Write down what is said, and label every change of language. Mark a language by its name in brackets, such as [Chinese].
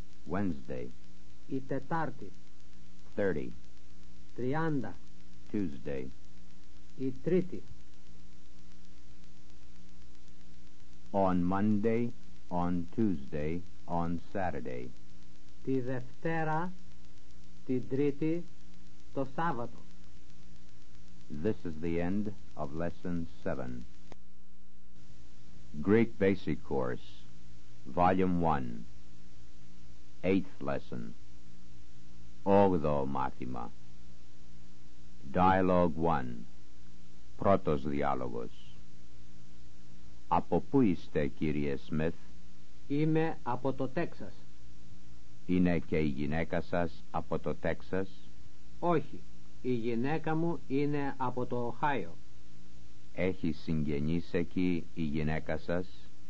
[English] Wednesday. [Greek] Η Τετάρτη. [English] 30. [Greek] 30. [English] Tuesday. [Greek] Η Τρίτη. [English] On Monday, on Tuesday, on Saturday. [Greek] Τη Δευτέρα, τη Τρίτη, το Σάββατο. [English] This is the end of lesson 7. Greek Basic Course, Volume 1, 8th Lesson, [Greek] 8ο Μάθημα, [English] Dialogue 1, [Greek] Πρώτος Διάλογος. Από πού είστε, κύριε Σμιθ? Είμαι από το Τέξας. Είναι και η γυναίκα σας από το Τέξας? Όχι, η γυναίκα μου είναι από το Οχάιο. Έχει συγγενείς εκεί η γυναίκα σας?